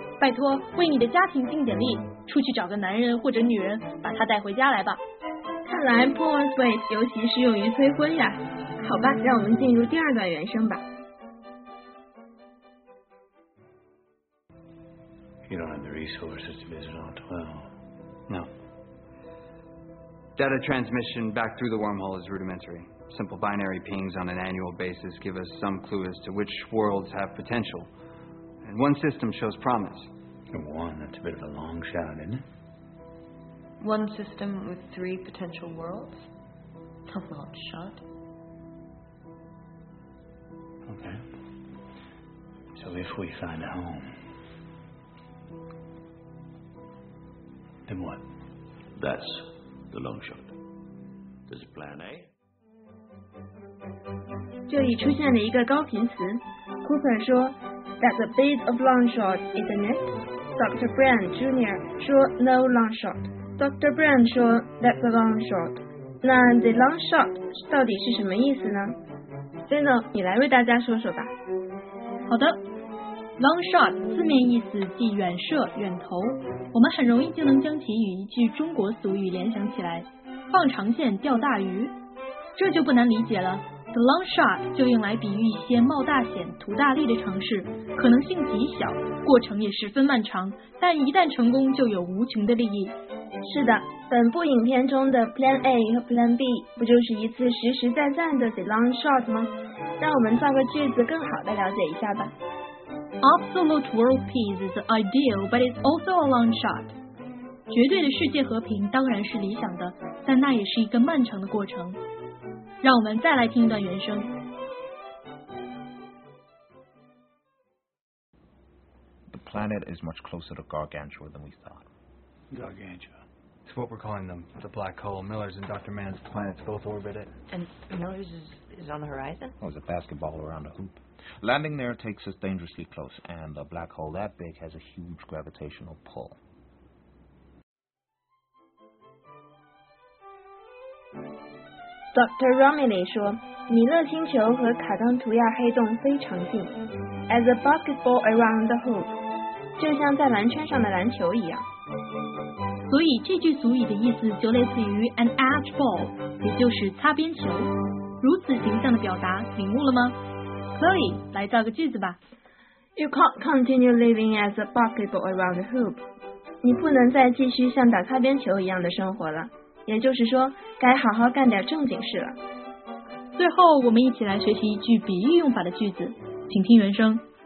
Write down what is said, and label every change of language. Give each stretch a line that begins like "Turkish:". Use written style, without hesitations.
Chinese: 拜托，为你的家庭尽点力，出去找个男人或者女人，把他带回家来吧。看来 pull one's weight 尤其适用于催婚呀。好吧，让我们进入第二段原声吧。
English: You don't have the resources to visit all 12. No. Data transmission back through the wormhole is rudimentary. Simple binary pings on an annual basis give us some clue as to which worlds have potential. And one system shows promise. One, that's a bit of a long shot, isn't it? One system with three potential worlds? A long shot. Okay. So if we find a home... Then what? That's the long shot. This is plan A.
Chinese: 这里出现了一个高频词。 Cooper 说
English: That's a bit of long shot, isn't it? Dr. Brand Jr.
Chinese: 说
English: No long shot. Dr.
Chinese: Brand 说
English: That's a long shot.
Chinese: 那 the long shot 到底是什么意思呢？ Zeno, 你来为大家说说吧。好的。 Long shot 字面意思即远射、远投，我们很容易就能将其与一句中国俗语联想起来，放长线钓大鱼。这就不难理解了， The long shot 就用来比喻一些冒大险、图大利的尝试，可能性极小，过程也十分漫长，但一旦成功就有无穷的利益。是的，本部影片中的 Plan A 和 Plan B 不就是一次实实在在的 The long shot 吗？让我们造个句子更好地了解一下吧。
English: Absolute world peace is ideal, but it's also a long shot.
Chinese: 绝对的世界和平当然是理想的，但那也是一个漫长的过程。让我们再来听一段原声。
English: The planet is much closer to Gargantua than we thought. Gargantua. It's what we're calling them, the black hole. Miller's and Dr. Mann's planets both orbit it. And Miller's is on the horizon? Oh, it's a basketball around a hoop. Landing there takes us dangerously close, and a black hole that big has a huge gravitational pull.
Chinese: Dr. Romilly 说，米勒星球和卡冈图亚黑洞非常近。
English: As a basketball around the hoop,
Chinese: 就像在篮圈上的篮球一样。所以这句俗语的意思就类似于
English: an edge ball,
Chinese: 也就是擦边球。如此形象的表达，领悟了吗？ Chloe, 来造个句子吧。
English: You can't continue living as a basketball around the hoop.
Chinese: 你不能再继续像打擦边球一样的生活了。也就是说，该好好干点正经事了。最后，我们一起来学习一句比喻用法的句子，请听原声。